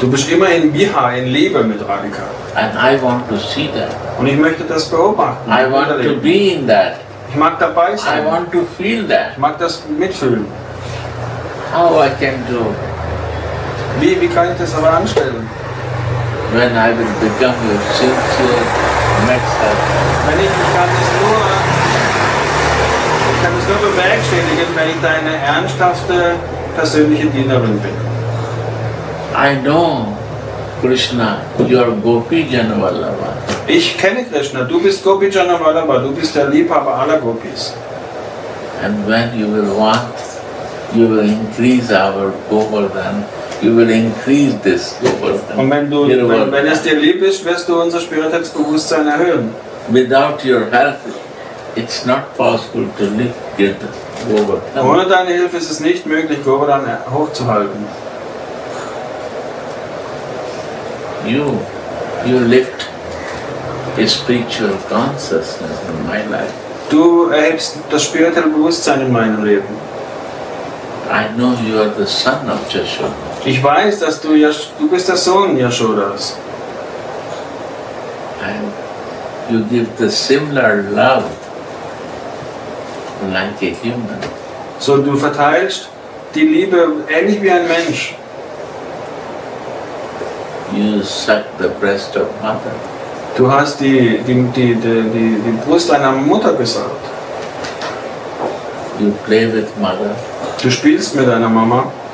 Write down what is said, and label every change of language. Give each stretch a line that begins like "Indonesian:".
German: Du bist immer in Bihar, in Leben mit Radhika.
English: And I want to see that.
German: Und ich möchte das beobachten.
English: I want to be in that.
German: Ich mag dabei sein.
English: I want to feel that.
German: Ich mag das mitfühlen.
English: How I can do?
German: Wie kann ich das aber anstellen?
English: When I will become your sincere master.
German: Wenn ich mich kann, ich kann es nur bewerkstelligen, wenn ich deine ernsthafte persönliche Dienerin bin.
English: I know Krishna, you are Gopi Janavallabha.
German: Ich kenne Krishna, du bist Gopi Janavallabha, du bist der Liebhaber aller Gopis.
English: And when you will want, you will increase our Govardhan. You will increase this Govardhan.
German: Und wenn es dir lieb ist, wirst du unser Spiritualitätsbewusstsein erhöhen.
English: Without your help, it's not possible to lift Govardhan.
German: Ohne deine Hilfe ist es nicht möglich, Govardhan hochzuhalten.
English: You lift a spiritual consciousness in my life.
German: Du erhebst das spirituelle Bewusstsein in meinem Leben.
English: I know you are the son of Yashoda.
German: Ich weiß, dass du bist der Sohn Yashodas.
English: And you give the similar love like a human.
German: So du verteilst die Liebe ähnlich wie ein Mensch.
English: You suck the breast of mother.
German: Du hast die Brust einer Mutter gesaugt.
English: You play with mother.
German: Du spielst mit deiner Mama.